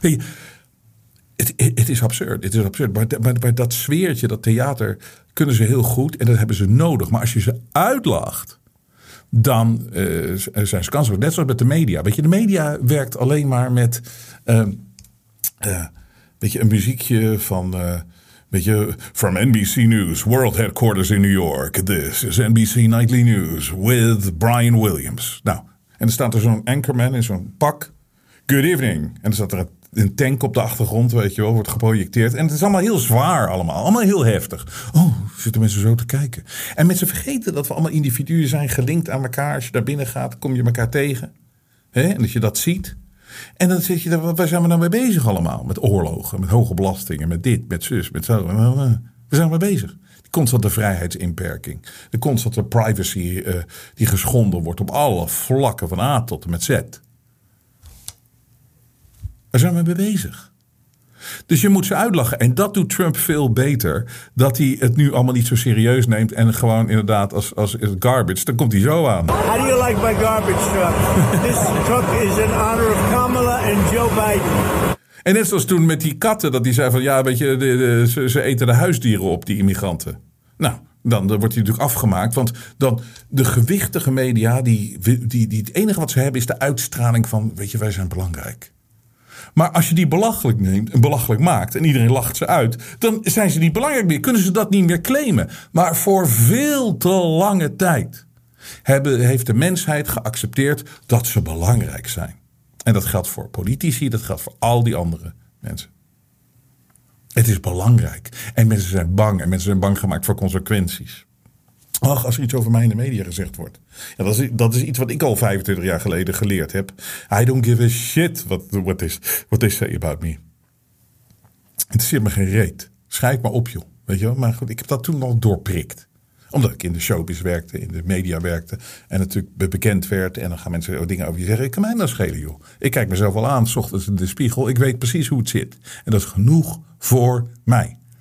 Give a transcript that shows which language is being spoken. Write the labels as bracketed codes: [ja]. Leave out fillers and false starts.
[nl] Nee, het is absurd. Maar dat sfeertje, dat theater, kunnen ze heel goed en dat hebben ze nodig. Maar als je ze uitlacht, dan zijn ze kansen. Net zoals met de media. Weet je, de media werkt alleen maar met een muziekje van. Weet je, [en] from NBC News, World Headquarters in New York. This is NBC Nightly News with Brian Williams. [nl] Nou, en dan staat er zo'n anchorman in zo'n pak. [en] Good evening. [nl] En dan staat er een tank op de achtergrond, weet je wel, wordt geprojecteerd. En het is allemaal heel zwaar allemaal, allemaal heel heftig. Oh, zitten mensen zo te kijken. En mensen vergeten dat we allemaal individuen zijn gelinkt aan elkaar. Als je daar binnen gaat, kom je elkaar tegen. Hè? En dat je dat ziet. En dan zit je daar, waar zijn we nou mee bezig allemaal? Met oorlogen, met hoge belastingen, met dit, met zus, met zo. We zijn mee bezig. De constante vrijheidsinperking. De constante privacy die geschonden wordt op alle vlakken van A tot en met Z. Waar zijn we mee bezig? Dus je moet ze uitlachen. En dat doet Trump veel beter. Dat hij het nu allemaal niet zo serieus neemt. En gewoon inderdaad als garbage. Dan komt hij zo aan. [en] How do you like my garbage truck? This truck is in honor of Kamala and Joe Biden. [nl] En net zoals toen met die katten. Dat hij zei van ja, weet je, ze eten de huisdieren op, die immigranten. Nou, dan wordt hij natuurlijk afgemaakt. Want dan de gewichtige media. Die het enige wat ze hebben is de uitstraling van, weet je, wij zijn belangrijk. Maar als je die belachelijk neemt en belachelijk maakt en iedereen lacht ze uit, dan zijn ze niet belangrijk meer. Kunnen ze dat niet meer claimen? Maar voor veel te lange tijd heeft de mensheid geaccepteerd dat ze belangrijk zijn. En dat geldt voor politici, dat geldt voor al die andere mensen. Het is belangrijk. En mensen zijn bang. En mensen zijn bang gemaakt voor consequenties. Ach, als er iets over mij in de media gezegd wordt. Ja, dat is iets wat ik al 25 jaar geleden geleerd heb. [en] I don't give a shit what they say about me. [nl] Het zit me geen reet. Schrijf maar op, joh. Weet je wel? Maar goed, ik heb dat toen al doorprikt. Omdat ik in de showbiz werkte, in de media werkte. En natuurlijk bekend werd. En dan gaan mensen dingen over je zeggen. Ik kan mij nou schelen, joh. Ik kijk mezelf al aan, 's ochtends in de spiegel. Ik weet precies hoe het zit. En dat is genoeg voor mij.